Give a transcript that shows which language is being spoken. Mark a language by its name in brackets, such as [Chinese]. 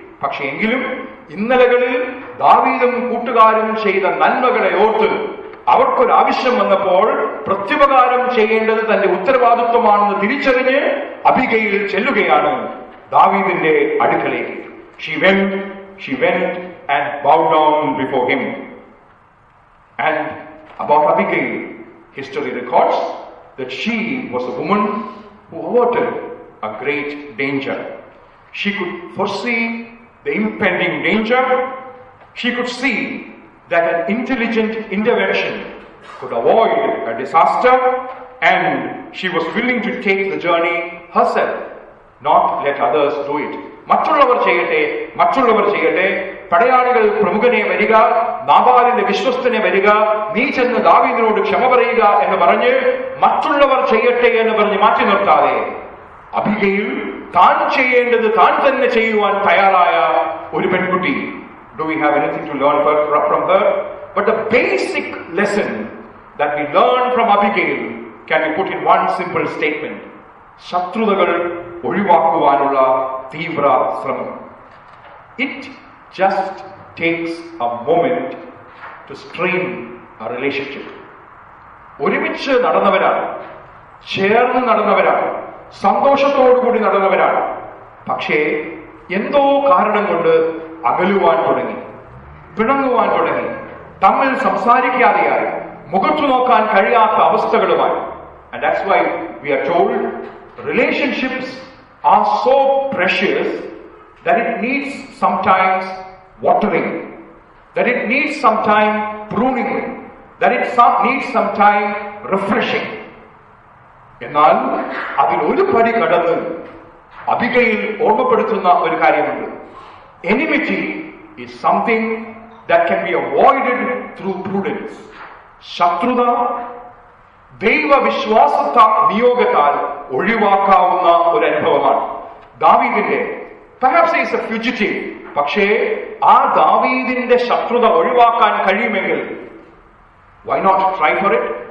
[Malayalam] പക്ഷേ എങ്കിലും ഇന്നലകളിൽ ദാവീദും കൂട്ടുകാരും ചെയ്ത നന്മകളെ ഓർത്ത് അവർക്കൊരാവശ്യം വന്നപ്പോൾ പ്രത്യുപകാരം ചെയ്യേണ്ടത് തന്റെ ഉത്തരവാദിത്വമാണെന്ന് തിരിച്ചറിഞ്ഞ് അബിഗയിൽ ചെല്ലുകയാണ് ദാവീദിന്റെ അടുക്കലേക്ക്. [English] She went and bowed down before him. And about Abigail, history records that she was a woman who averted a great danger. She could foresee the impending danger. She could see that an intelligent intervention could avoid a disaster, and she was willing to take the journey herself, not let others do it. [Malayalam] മറ്റുള്ളവർ ചെയ്യട്ടെ, പടയാളികൾ പ്രമുഖനെ വരിക, നാബാലിന്റെ വിശ്വസ്തനെ വരിക, നീ ചെന്ന് ദാവീദിനോട് ക്ഷമ പറയുക എന്ന് പറഞ്ഞ് മറ്റുള്ളവർ ചെയ്യട്ടെ എന്ന് പറഞ്ഞ് മാറ്റി നിർത്താതെ അബിഗയിൽ താൻ ചെയ്യേണ്ടത് താൻ തന്നെ ചെയ്യുവാൻ തയ്യാറായ ഒരു പെൺകുട്ടി. [English] Do we have anything to learn from her? But the basic lesson that we learn from Abigail can be put in one simple statement. [Malayalam] ശത്രുതകൾ ഒഴിവാക്കുവാനുള്ള തീവ്ര ശ്രമം. [English] It just takes a moment to strain a relationship. [Malayalam] ഒരുമിച്ച് നടന്നവരാണ്, ചേർന്ന് നടന്നവരാണ്, സന്തോഷത്തോടുകൂടി നടന്നവരാണ്. പക്ഷേ എന്തോ കാരണം കൊണ്ട് അകലുവാൻ തുടങ്ങി, പിണങ്ങുവാൻ തുടങ്ങി, തമ്മിൽ സംസാരിക്കാതെയായി, മുഖത്തു നോക്കാൻ കഴിയാത്ത അവസ്ഥകളുമായി. [English] And that's why we are told, relationships are so precious that it needs sometimes watering, that it needs some time pruning, that it needs some time refreshing. [Malayalam] എന്നാൽ അതിൽ ഒരു പടി കടന്ന് അബിഗയിൽ ഓർമ്മപ്പെടുത്തുന്ന ഒരു കാര്യമുണ്ട്. [English] Enmity is something that can be avoided through prudence. [Malayalam] ശത്രുത ദൈവവിശ്വാസത നിയോഗത്താൽ ഒഴിവാക്കാവുന്ന ഒരു അനുഭവമാണ്. [English] ദാവീദിന്റെ perhaps he is a fugitive, [Malayalam] പക്ഷേ ആ ദാവീദിന്റെ ശത്രുത ഒഴിവാക്കാൻ കഴിയുമെങ്കിൽ [English] why not try for it?